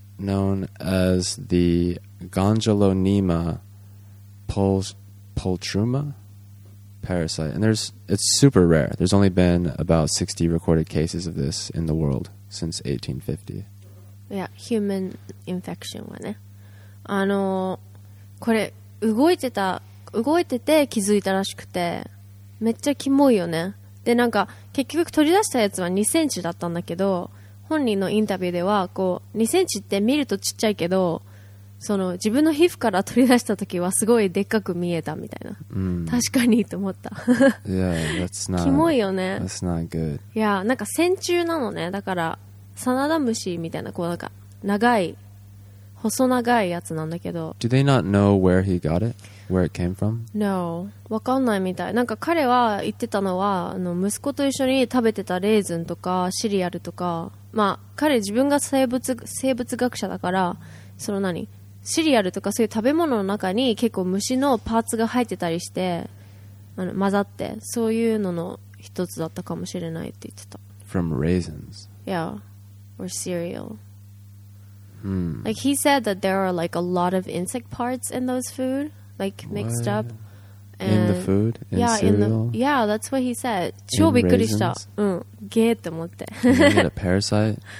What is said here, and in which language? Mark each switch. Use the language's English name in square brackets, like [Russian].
[English] known as the Gonjolonema poltruma parasite. And it's super rare. There's only been about 60 recorded cases of this in the world since 1850. Yeah, human infection [Japanese] はね。これ動いてて気づいたらしくて、めっちゃキモいよね。で、なんか結局取り出したやつは2センチだったんだけど、本人のインタビューではこう2センチって見るとちっちゃいけど、その自分の皮膚から取り出した時はすごいでっかく見えたみたいな、うん、確かにと思った。 [English] Yeah, that's not, [Japanese] キモいよね。 [English] That's not good. [Japanese] いや、なんか線虫なのね。だからサナダムシみたいな、こうなんか長い細長いやつなんだけど。 [English] Do they not know where he got it? Where it came from? No. [Japanese] わかんないみたい。なんか彼は言ってたのは、息子と一緒に食べてたレーズンとかシリアルとか、まあ、彼自分が生物学者だから、その何シリアルとかそういう食べ物の中に結構虫のパーツが入ってたりして、混ざってそういうのの一つだったかもしれないって言ってた。 [English] From raisins? Yeah. Or cereal. Hmm. Like he said that there are like a lot of insect parts in those food, like mixed what? up. And in the food? In yeah, cereal? Yeah, that's what he said. [Japanese] 超びっくりした。うん。ゲーって思って。 [English] Did he get a parasite?